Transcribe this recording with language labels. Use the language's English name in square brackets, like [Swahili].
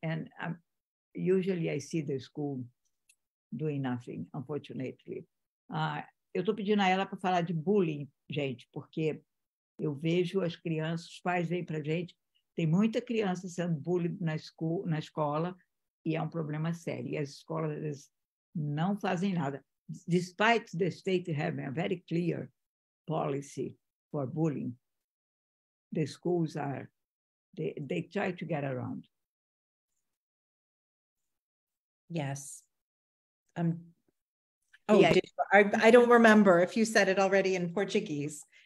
[English] And usually I see the school doing nothing, unfortunately. [Portuguese] Eu tô pedindo a ela para falar de bullying, gente, porque eu vejo as crianças, os pais vêm pra gente, tem muita criança sendo bullied na escola, e é um problema sério. E as escolas não fazem nada. [English] Despite the state having a very clear policy for bullying, the schools they try to get around. Yes. I don't remember if you said it already in Portuguese.